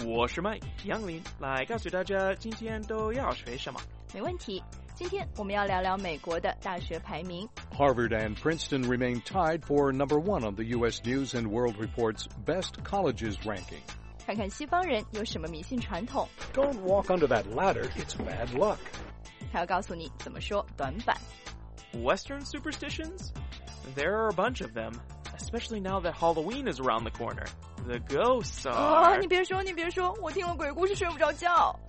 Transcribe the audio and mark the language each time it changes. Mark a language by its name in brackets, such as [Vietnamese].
[Chinese] 我是麦杨林，来告诉大家今天都要学什么。没问题，今天我们要聊聊美国的大学排名。 [English] Harvard and Princeton remain tied for number one on the U.S. News and World Report's Best Colleges Ranking。 [Chinese] 看看西方人有什么迷信传统。 [English] Don't walk under that ladder, it's bad luck。 [Chinese] 他要告诉你怎么说短板。 [English] Western superstitions? There are a bunch of them, especially now that Halloween is around the corner. The ghosts are...、 [Chinese] 你别说，你别说，我听了鬼故事睡不着觉。